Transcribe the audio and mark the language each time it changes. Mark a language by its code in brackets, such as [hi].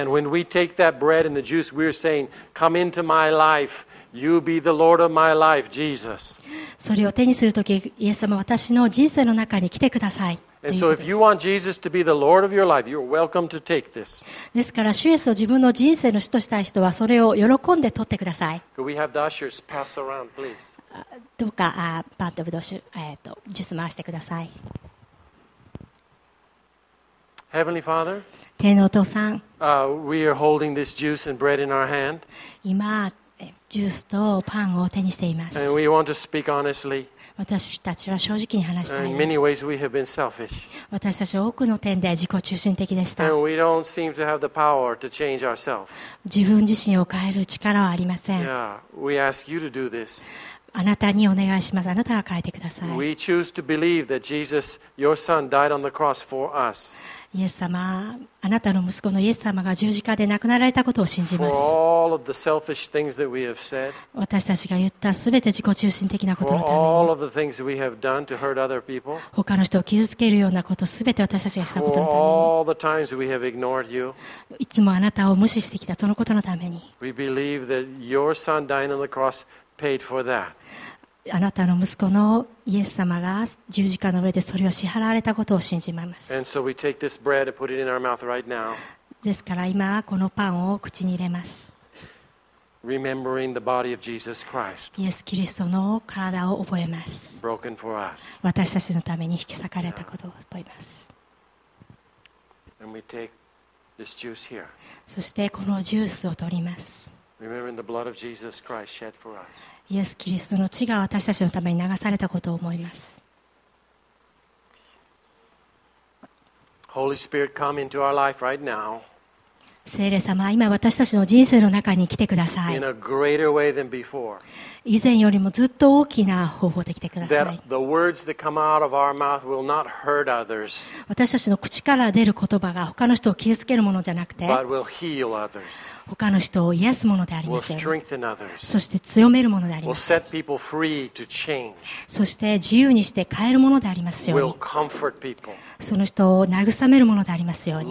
[en] And when we take that bread and the juice, we're saying, "Come into my life. You be the Lord of my life, Jesus." [ja] それを手にするとき、イエス様は私の人生の中に来てください。 [en] And so, if you want Jesus to be the Lord of your life, you're welcome to take this. [ja] ですから、主イエスを自分の人生の主としたい人はそれを喜んで取ってください。 [en] Could we have the ushers pass around, please? [ja] どうか、パンとブドウ酒、ジュース回してください。 [en] Heavenly Father, [ja] 天のお父さん、 [en] we are holding this juice and bread in our hand. [ja] 今、ジュースとパンを手にしています。 [en] And we want to speak honestly. [ja] 私たちは正直に話したいです。 [en] In many ways we have been selfish. [ja] 私たちは多くの点で自己中心的でした。 [en] And we don't seem to have the power to change ourselves. [ja] 自分自身を変える力はありません。 [en] Yeah, we ask you to do this. [ja] あなたにお願いします。あなたが変えてください。 [en] We choose to believe that Jesus, your son, died on the cross for us. [ja] イエス様、あなたの息子のイエス様が十字架で亡くなられたことを信じます。 [en] For all of the selfish things that we have said, [ja] 私たちが言ったすべて自己中心的なことのために、 [en] For all of the things we have done to hurt other people, [ja] 他の人を傷つけるようなことすべて私たちがしたことのために、 [en] For all the times we have ignored you, [ja] いつもあなたを無視してきたそのことのために、 [en] We believe that your son dying on the cross paid for that. [ja] あなたの息子のイエス様が十字架の上でそれを支払われたことを信じます。ですから今このパンを口に入れます。 [en] Remembering the body of Jesus Christ. [ja] イエス・キリストの体を覚えます。 [en] Broken for us. [ja] 私たちのために引き裂かれたことを覚えます。 [en] And we take this juice here. [ja] そしてこのジュースを取ります。 [en] Remembering the blood of Jesus Christ shed for us. [ja] イエス・キリストの血が私たちのために流されたことを思います。 [en] Holy Spirit, come into our life right now. [ja] 聖霊様、今私たちの人生の中に来てください。 [en] In a greater way than before. [ja] 以前よりもずっと大きな方法で来てください。 [en] That the words that come out of our mouth will not hurt others. [ja] 私たちの口から出る言葉が他の人を傷つけるものじゃなくて、 [en] But will heal others. [ja] 他の人を癒すものでありませんそして強めるものでありません。そして自由にして変えるものでありますように。その人を慰めるものでありますように。